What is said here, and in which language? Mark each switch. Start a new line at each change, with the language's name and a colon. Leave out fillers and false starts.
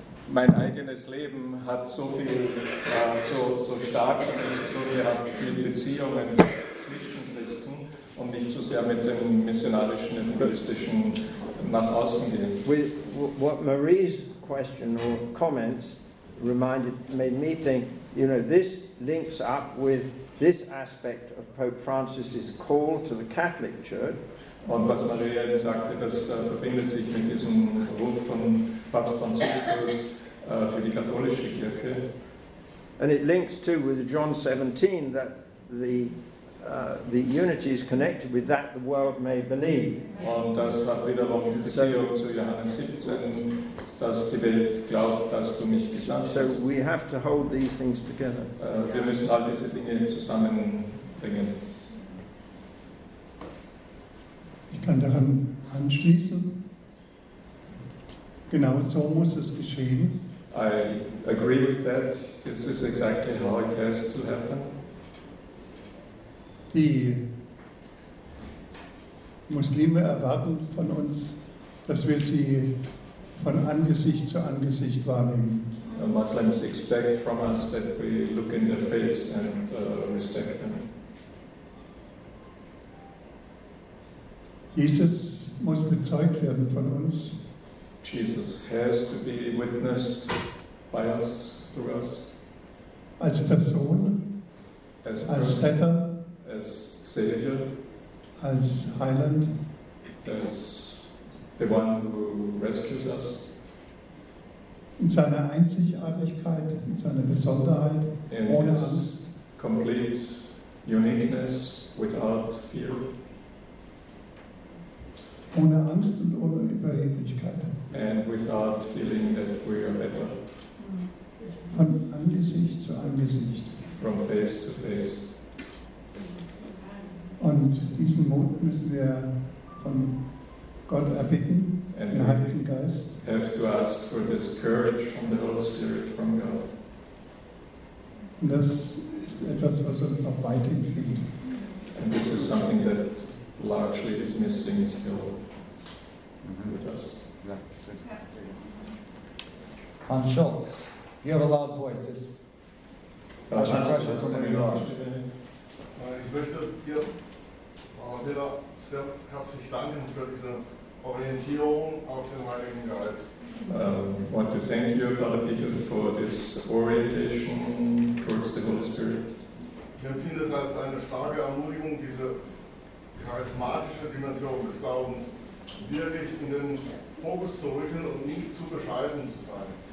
German: Mein eigenes Leben hat so viel, so stark und so gehabt mit Beziehungen zwischen Christen und nicht so sehr mit dem missionarischen, evangelistischen nach außen gehen.
English: What Marie's question or comments made me think, you know, this links up with this aspect of Pope Francis's call to the Catholic Church.
German: Und was Maria sagte, das verbindet sich mit diesem Ruf von Papst Franziskus für die katholische Kirche.
English: And it links too with John 17 that the unity is connected with that the world may believe.
German: Und das hat wiederum Beziehung zu Johannes 17, dass die Welt glaubt, dass du mich gesandt hast.
English: So we have to hold these things together.
German: Wir müssen all diese Dinge zusammenbringen. Ich kann daran anschließen. Genau so muss es geschehen.
English: I agree with that. This is exactly how it has to happen.
German: Die Muslime erwarten von uns, dass wir sie von Angesicht zu Angesicht wahrnehmen.
English: The Muslims expect from us that we look in their face and respect them.
German: Jesus muss bezeugt werden von uns.
English: Jesus has to be witnessed by us, through us.
German: Als Person. als Retter, als Savior, als Heiland,
English: als the one who rescues us,
German: in seiner Einzigartigkeit, in seiner Besonderheit, in ohne
English: his
German: Angst,
English: complete uniqueness, without fear,
German: ohne Angst und ohne Überheblichkeit,
English: and without feeling that we are better,
German: von Angesicht zu Angesicht,
English: from face to face.
German: Und diesen Mut müssen wir von Gott erbitten,
English: and
German: den Heiligen Geist.
English: Have to ask for this courage from the Holy Spirit, from God.
German: Und das ist etwas, was uns noch weithin fehlt.
English: And this is something that largely is missing still with us. Hans Schultz, you have a loud voice. Just
German: ich möchte dir wieder sehr herzlich danken für diese Orientierung auf den Heiligen Geist.
English: I want to thank you, Father Peter, for this orientation towards the Holy Spirit.
German: Ich empfinde es als eine starke Ermutigung, diese charismatische Dimension des Glaubens wirklich in den Fokus zu rücken und nicht zu bescheiden zu sein.